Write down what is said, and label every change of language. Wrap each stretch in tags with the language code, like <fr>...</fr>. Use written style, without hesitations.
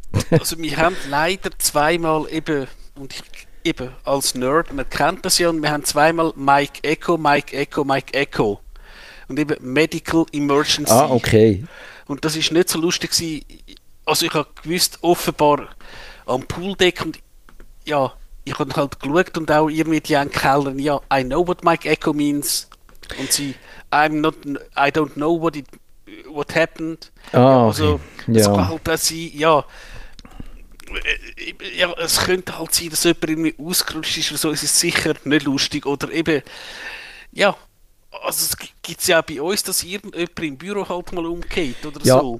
<de>Also wir haben leider zweimal eben, und ich eben als Nerd, man kennt das ja, und wir haben zweimal Mike Echo. Und eben Medical Emergency. Ah, okay. Und das ist nicht so lustig gewesen. Also ich habe gewusst, offenbar am Pooldeck und ja, ich habe halt geschaut und auch irgendwie die einen Kellern, ja,</de> <en>I know what Mike Echo means.</en> <de>Und sie,</de> <en>I don't know what happened.</en> <de>Okay. Also es kann halt auch sein, ja, es könnte halt sein, dass jemand irgendwie ausgerutscht ist oder so, es ist sicher nicht lustig. Oder eben, ja. Also es gibt ja auch bei uns, dass irgendjemand im Büro halt mal umgeht oder ja, so.</de>